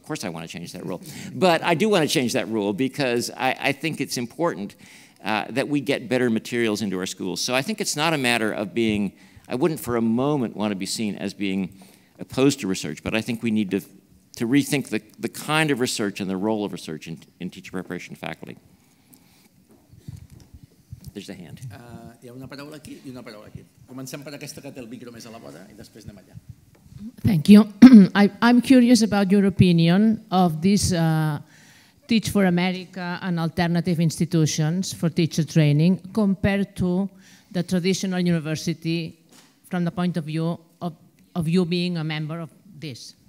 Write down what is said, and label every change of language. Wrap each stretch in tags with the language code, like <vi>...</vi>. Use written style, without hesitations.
<en>Of course I want to change that rule. But I do want to change that rule because I think it's important that we get better materials into our schools. So I think it's not a matter of being, I wouldn't for a moment want to be seen as being opposed to research, but I think we need to rethink the kind of research and the role of research in teacher preparation faculty. There's a hand. Hi, hi. Hi. Hi. Hi. Hi. Hi. Hi. Hi. Hi. Hi. Hi. Hi. Hi.</en> <ca>Comencem per aquesta que té el micro més a la vora i després anem allà.</ca> <en>Thank you. I'm curious about your opinion of this Teach for America and alternative institutions for teacher training compared to the traditional university from the point of view of you being a member of this.</en>